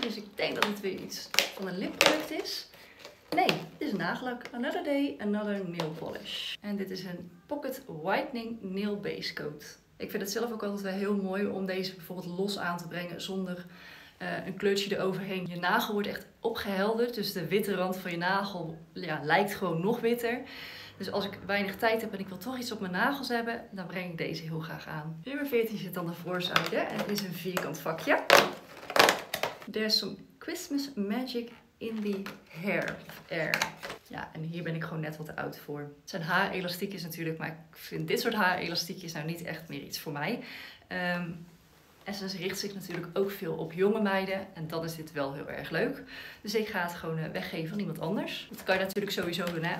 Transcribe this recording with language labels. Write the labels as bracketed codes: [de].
[nl] Dus ik denk dat het weer iets van een lipproduct is. Nee, dit is nagellak. [en] Another day, another nail polish. [nl] En dit is een Pocket Whitening Nail Base Coat. Ik vind het zelf ook altijd wel heel mooi om deze bijvoorbeeld los aan te brengen zonder een kleurtje eroverheen. Je nagel wordt echt opgehelderd, dus de witte rand van je nagel lijkt gewoon nog witter. Dus als ik weinig tijd heb en ik wil toch iets op mijn nagels hebben, dan breng ik deze heel graag aan. Nummer 14 zit dan de voorzijde en het is een vierkant vakje. [en] There's some Christmas magic in the hair. [nl] Ja, en hier ben ik gewoon net wat te oud voor. Het zijn haarelastiekjes natuurlijk, maar ik vind dit soort haarelastiekjes nou niet echt meer iets voor mij. Essence richt zich natuurlijk ook veel op jonge meiden. En dan is dit wel heel erg leuk. Dus ik ga het gewoon weggeven aan iemand anders. Dat kan je natuurlijk sowieso doen, hè.